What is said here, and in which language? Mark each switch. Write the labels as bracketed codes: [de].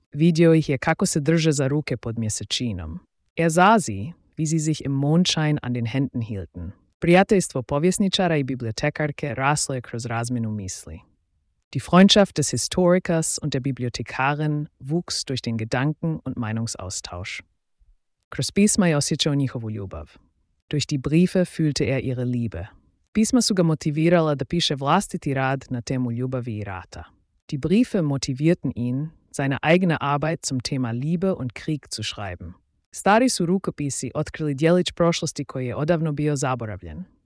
[hr] Video ich je kako se drže za ruke pod mjesečinom. [de] Sah sie, wie sie sich im Mondschein an den Händen hielten. [hr] Prijateljstvo povjesničara i bibliotekarke raslo je kroz razmjenu misli. [de] Die Freundschaft des Historikers und der Bibliothekarin wuchs durch den Gedanken- und Meinungsaustausch. [hr] Kroz pisma je osjećao njihovu ljubav. [de] Durch die Briefe fühlte ihre Liebe. [hr] Pisma su ga motivirala da piše vlastiti rad na temu ljubavi i rata. [de] Die Briefe motivierten ihn, seine eigene Arbeit zum Thema Liebe und Krieg zu schreiben. [hr] Stari su rukopisi otkrili djelić prošlosti koji je odavno bio zaboravljen.